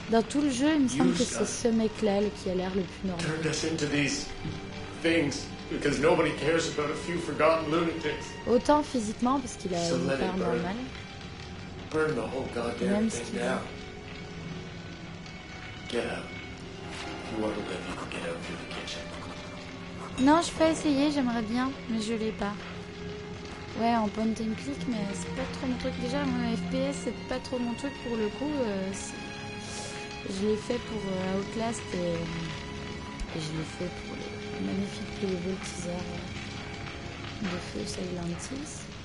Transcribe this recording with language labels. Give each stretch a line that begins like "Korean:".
French: Dans tout le jeu, il me semble que c'est ce mec-là qui a l'air le plus normal.
English: Turned us into these things because nobody cares about a few forgotten lunatics.
French: Autant physiquement parce qu'il a une peur normale.
English: Burn the whole goddamn thing down. Get out. If you want to live, you can get out through the kitchen.
French: Non, je peux essayer, j'aimerais bien, mais je l'ai pas. Ouais, en point and click, mais c'est pas trop mon truc. Déjà, mon FPS, c'est pas trop mon truc pour le coup. Je l'ai fait pour Outlast et je l'ai fait pour les magnifiques plus beaux teasers de feu Silent Hills.